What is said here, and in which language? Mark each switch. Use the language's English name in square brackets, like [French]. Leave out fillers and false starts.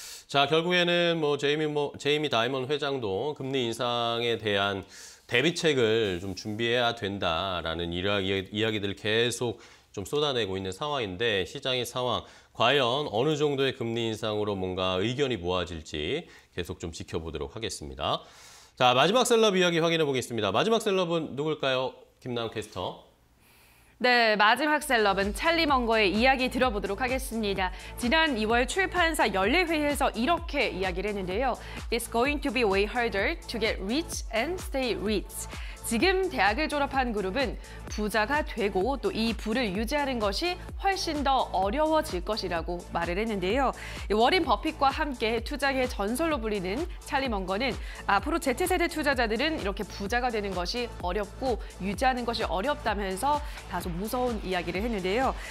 [Korean] 자, 결국에는 뭐 제이미 다이먼 회장도 금리 인상에 대한 대비책을 좀 준비해야 된다라는 이야기들을 계속 좀 쏟아내고 있는 상황인데, 시장의 상황 과연 어느 정도의 금리 인상으로 뭔가 의견이 모아질지 계속 좀 지켜보도록 하겠습니다. 자, 마지막 셀럽 이야기 확인해 보겠습니다. 마지막 셀럽은 누굴까요? 김나은 캐스터. 네, 마지막 셀럽은 찰리 멍거의 이야기 들어보도록 하겠습니다. 지난 2월 출판사 연례회에서 이렇게 이야기를 했는데요. [English] It's going to be way harder to get rich and stay rich. [Korean] 지금 대학을 졸업한 그룹은 부자가 되고 또 이 부를 유지하는 것이 훨씬 더 어려워질 것이라고 말을 했는데요. 워린 버핏과 함께 투자의 전설로 불리는 찰리 멍거는 앞으로 Z세대 투자자들은 이렇게 부자가 되는 것이 어렵고 유지하는 것이 어렵다면서 다소 무서운 이야기를 했는데요.